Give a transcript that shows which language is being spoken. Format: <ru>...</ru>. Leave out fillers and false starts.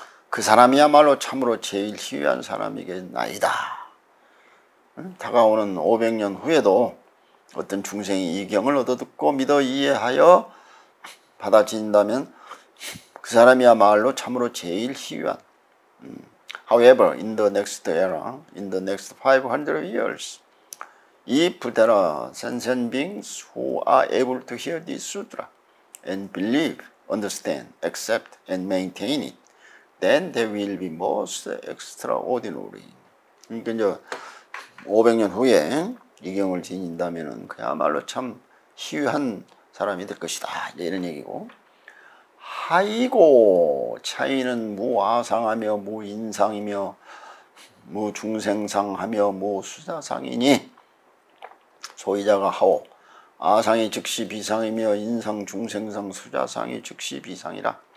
<ko>그 사람이야말로 참으로 제일 희유한 사람이겠나이다. 다가오는 500년 후에도 어떤 중생이 이경을 얻어듣고 믿어 이해하여 받아들인다면 그 사람이야말로 참으로 제일 희유한.</ko> <en>However, in the next era, in the next 500 years, if there are sentient beings who are able to hear this sutra and believe, understand, accept, and maintain it, then they will be most extraordinary.</en> <ko>그러니까 이제 500년 후에 이경을 지닌다면 그야말로 참 희유한 사람이 될 것이다. 이런 얘기고. 하이고 차이는 무아상하며 무인상이며 무중생상하며 무수자상이니 소위자가 하오 아상이 즉시 비상이며 인상 중생상 수자상이 즉시 비상이라.</ko>